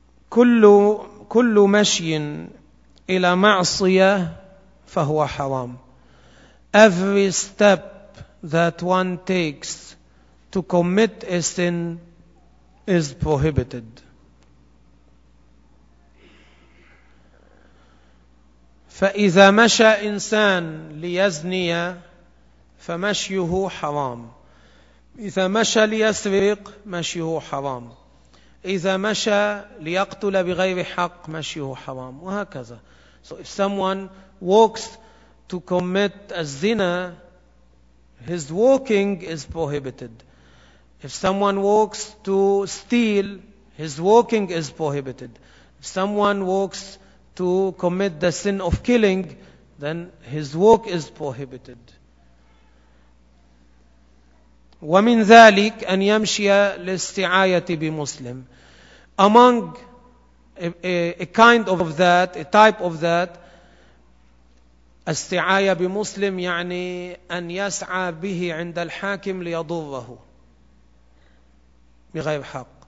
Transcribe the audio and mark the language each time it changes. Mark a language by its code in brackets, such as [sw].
[ar] كل مشي إلى معصية فهو حرام. [en] Every step that one takes to commit a sin is prohibited. [ar] فإذا مشى إنسان ليزني فمشيه حرام. إذا مشى ليسرق مشيه حرام. إذا مشى ليقتل بغير حق مشيه حرام وهكذا. [en] So if someone walks to commit a zina, his walking is prohibited. If someone walks to steal, his walking is prohibited. If someone walks to commit the sin of killing, then his walk is prohibited. [ar] ومن ذلك أن يمشي للاستعاية بمسلم. [en] Among a kind of that, [ar] a type of that, استعاية بمسلم يعني أن يسعى به عند الحاكم ليضره بغير حق.